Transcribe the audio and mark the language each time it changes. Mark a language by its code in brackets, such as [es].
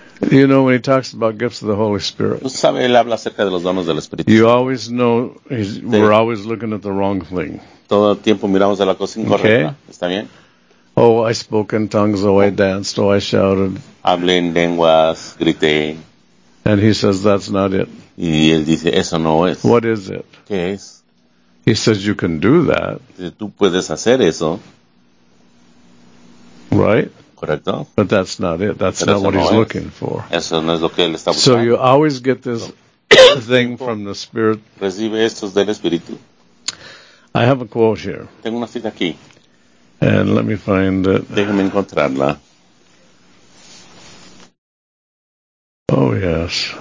[en] You know when he talks about gifts of the Holy Spirit. [es] ¿Tú sabes, él habla acerca de los dones del Espíritu? [en] You always know sí. We're always looking at the wrong thing. [es] Todo el tiempo miramos a la cosa incorrecta. [en] Okay. [es] ¿Está bien? [en] Oh, I spoke in tongues, oh, I danced, oh, I shouted. [es] Hablé en lenguas, grité. [en] And he says, that's not it. [es] Y él dice, eso no es. [en] What is it? [es] ¿Qué es? [en] He says, you can do that. [es] Tú puedes hacer eso. [en] Right? [es] Correcto. [en] But that's not it. That's [es] pero [en] not what [es] no [en] he's [es] es. [en] Looking for. [es] Eso no es lo que él está buscando. [en] So you always get this thing from the Spirit. [es] Recibe estos del Espíritu. [en] I have a quote here. [es] Tengo una cita aquí. [en] And let me find it. [es] Déjame encontrarla. [en] Oh, yes.